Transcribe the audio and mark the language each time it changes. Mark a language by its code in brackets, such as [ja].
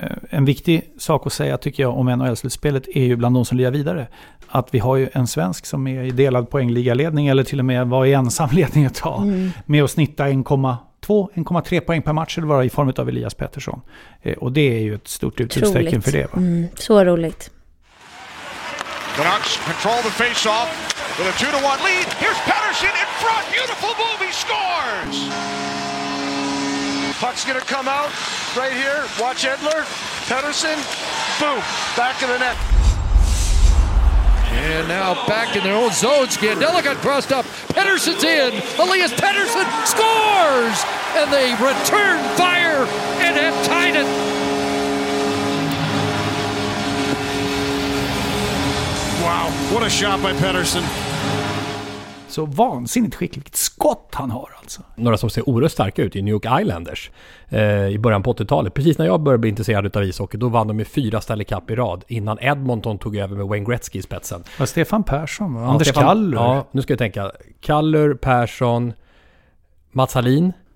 [sv] En viktig sak att säga, tycker jag, om NHL-slutspelet är ju bland de som lirar vidare, att vi har ju en svensk som är i delad poängligaledning, eller till och med var i ensam ledning ett tag, med att snitta 1,2-1,3 poäng per match, eller vara i form av Elias Pettersson. Och det är ju ett stort utropstecken för det. Va? Så roligt. [en] The Ducks control the face-off with a 2-1 lead. Here's Pettersson in front. Beautiful move. He scores. Puck's going to come out right here. Watch Edler. Pettersson. Boom. Back in the net. And now back in their own zone. Scandella got crossed up. Pettersson's in. Elias Pettersson scores. And they return fire and have tied it. Wow, what a shot by Pettersson. [sv] Så vansinnigt skickligt skott han har alltså. Några som ser oerhört starka ut i New York Islanders i början på 80-talet. Precis när jag började bli intresserad av ishockey, då vann de med 4 Stanley Cup i rad innan Edmonton tog över med Wayne Gretzky i spetsen. Ja, Stefan Persson, ja, Anders Kallur. Ja, nu ska jag tänka. Kallur, Persson, Mats Hallin.